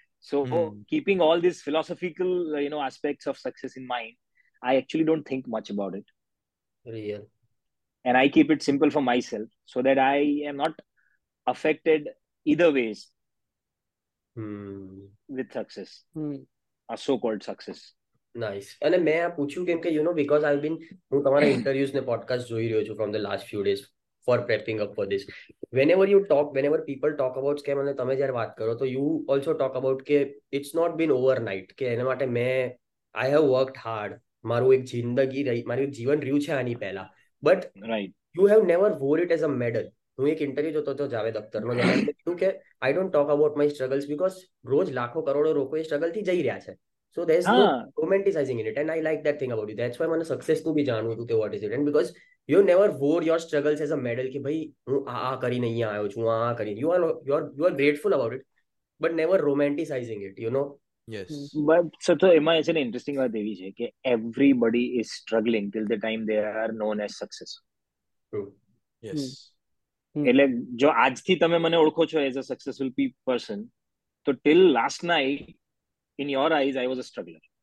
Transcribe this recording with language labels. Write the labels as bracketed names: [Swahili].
[English] So keeping all these philosophical, you know, aspects of success in mind, I actually don't think much about it. Real. And I keep it simple for myself so that I am not affected either ways with success, a so-called success. Nice. [Gujarati] અને મેં આ પૂછ્યું કેમ કે [English] you know because I have been, [Gujarati] હું તમારા ઇન્ટરવ્યુસ ને podcast જોઈ રહ્યો છું [English] From the last few days for prepping up for this. Whenever you talk, whenever people talk about scam, [Gujarati] અને તમે જ્યારે વાત કરો તો [English] you also talk about કે it's not been overnight, [Gujarati] કે એના માટે મેં, [English] I have worked hard, [Gujarati] મારું એક જિંદગી રહી, મારું એક જીવન રહ્યું છે આની પહેલા, [English] But right, you have never wore it as a medal. [Gujarati] હું એક ઇન્ટરવ્યુ જોતો હતો જાવેદ અખ્તરનો, જેમાં એમણે કહ્યું કે [English] I don't talk about my struggles because [Gujarati] રોજ લાખો કરોડો લોકો એ સ્ટ્રગલથી જઈ રહ્યા છે. [English] So there's no romanticizing in it, and I like that thing about you. That's why [Gujarati] mane success to bhi janu tu ke [English] what is it, and because you never wore your struggles as a medal [Gujarati] ki bhai hu aa kari [English] nahi aayo chu aa kari, you are grateful about it but never romanticizing it, you know. Yes, but so [Gujarati] to ema [English] is an interesting [Gujarati] va devi che ke [English] everybody is struggling till the time they are known as success. Yes. [Gujarati] એટલે જો આજ થી તમે મને ઓળખો છો [English] as a successful person, [Gujarati] તો [English] Till last night in your eyes I was a struggler.